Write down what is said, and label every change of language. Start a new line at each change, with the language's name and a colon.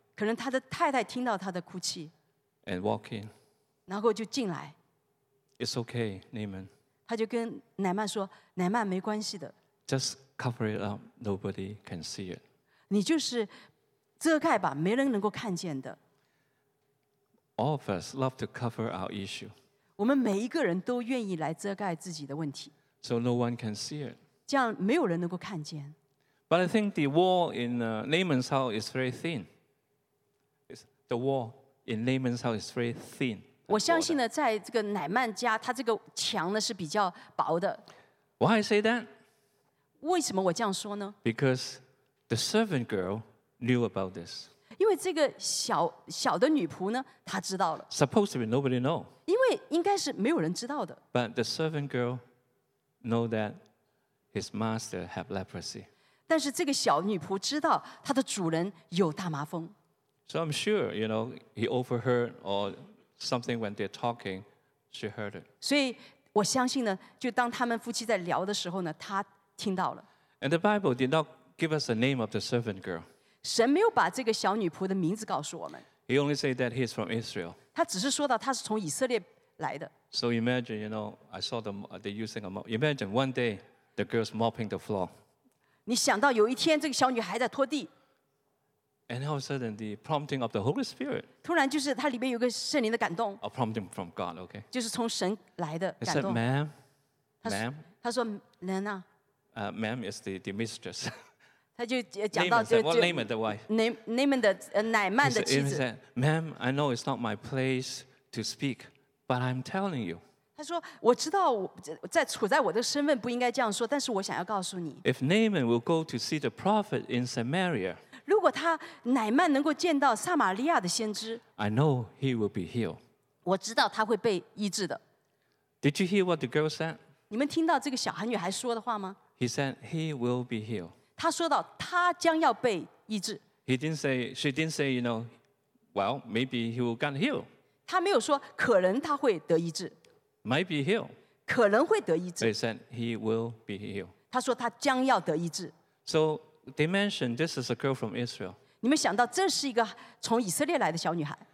Chinese: 可能他的太太听到他的哭泣。
English: And walk in.
Chinese: 然后就进来。
English: It's okay, Naaman.
Chinese: 他就跟乃曼说, 乃曼没关系的。
English: Just cover it up. Nobody can see it.
Chinese: 你就是遮盖吧, 没人能够看见的。
English: All of us love to cover our issue.
Chinese: 我们每一个人都愿意来遮盖自己的问题。
English: So no one can see it.
Chinese: 这样没有人能够看见。
English: But I think the wall in Naaman's house is very thin. The wall in Naaman's house is very thin.
Chinese: 我相信呢, 在这个乃曼家, 他这个墙呢是比较薄的。
English: Why I say that?
Chinese: 为什么我这样说呢?
English: Because the servant girl knew about this.
Chinese: 因为这个小的女仆呢, 她知道了。
English: Supposedly nobody know.
Chinese: 因为应该是没有人知道的。
English: But the servant girl know that his master have leprosy.
Chinese: 但是这个小女仆知道她的主人有大麻风。
English: So I'm sure, you know, he overheard or something when they're talking, she heard it.
Chinese: 所以我相信呢, 就当他们夫妻在聊的时候呢, 她听到了。
English: And the Bible did not give us the name of the servant girl.
Chinese: 神没有把这个小女仆的名字告诉我们。
English: He only said that he's from Israel.
Chinese: 他只是说到他是从以色列来的。
English: So imagine, you know, I saw them, they're using a mop. Imagine one day, the girl's mopping the floor.
Chinese: 你想到有一天这个小女孩在拖地。
English: And all of a sudden, the prompting of the Holy Spirit.
Chinese: 突然就是它里面有个圣灵的感动。
English: A prompting from God, okay?
Chinese: 就是从神来的感动。
English: He said, "Ma'am, ma'am."
Chinese: 他说, "Nan
English: ah." Ma'am is the mistress.
Chinese: 他就讲到就就
English: Naaman the wife.
Chinese: Naaman the 乃曼的妻子。
English: He said, "Ma'am, I know it's not my place to speak, but I'm telling you."
Chinese: 他说，我知道在处在我的身份不应该这样说，但是我想要告诉你。
English: If Naaman will go to see the prophet in Samaria.
Chinese: 如果他乃曼能够见到撒玛利亚的先知,
English: I know he will be healed.
Chinese: 我知道他会被医治的。
English: Did you hear what the girl said?
Chinese: 你们听到这个小孩女孩说的话吗?
English: He said he will be healed.
Chinese: 他说到他将要被医治。
English: He didn't say, she didn't say, you know, well, maybe he will get healed.
Chinese: 他没有说可能他会得医治。
English: Might be healed.
Chinese: 可能会得医治。
English: They said he will be healed.
Chinese: 他说他将要得医治。
English: So, they mentioned this is a girl from Israel.
Chinese: 你们想到这是一个从以色列来的小女孩。